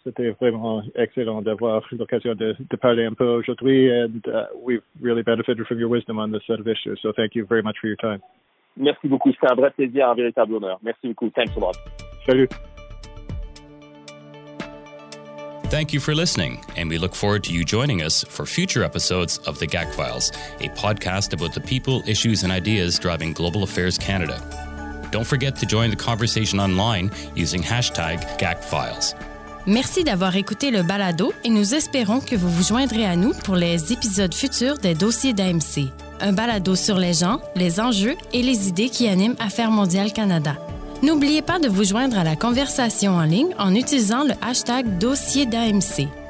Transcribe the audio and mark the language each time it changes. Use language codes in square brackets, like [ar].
[fr] C'était vraiment excellent d'avoir l'occasion de parler un peu aujourd'hui. [en] And we've really benefited from your wisdom on this set of issues. So thank you very much for your time. [fr] Merci beaucoup. C'est un vrai plaisir, un véritable honneur. Merci beaucoup. [en] Thanks a lot. [fr] Salut. [en] Thank you for listening, and we look forward to you joining us for future episodes of The GAC Files, a podcast about the people, issues, and ideas driving Global Affairs Canada. Don't forget to join the conversation online using hashtag GACFiles. [fr] Merci d'avoir écouté le balado et nous espérons que vous vous joindrez à nous pour les épisodes futurs des dossiers d'AMC. Un balado sur les gens, les enjeux et les idées qui animent Affaires mondiales Canada. N'oubliez pas de vous joindre à la conversation en ligne en utilisant le hashtag dossier d'AMC.